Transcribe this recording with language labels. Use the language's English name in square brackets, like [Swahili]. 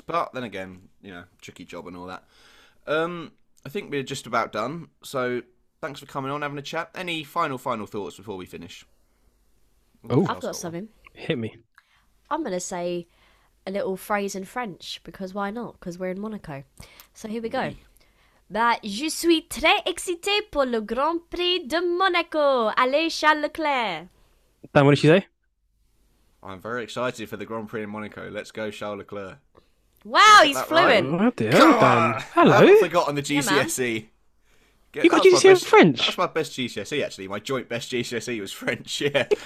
[English] But then again, you know, tricky job and all that. I think we're just about done. So thanks for coming on, having a chat. Any final thoughts before we finish? Oh, I've got something. Hit me. I'm going to say a little phrase in French, because why not? Because we're in Monaco. So here we go. [French] Bah, je suis très excité pour le Grand Prix de Monaco. Allez, Charles Leclerc. [English] Dan, what did she say? I'm very excited for the Grand Prix in Monaco. Let's go, Charles Leclerc. Wow, he's fluent. Right? Oh, Dan. Hello. I forgot on the GCSE. Yeah, you got GCSE in French? That's my best GCSE, actually. My joint best GCSE was French, yeah.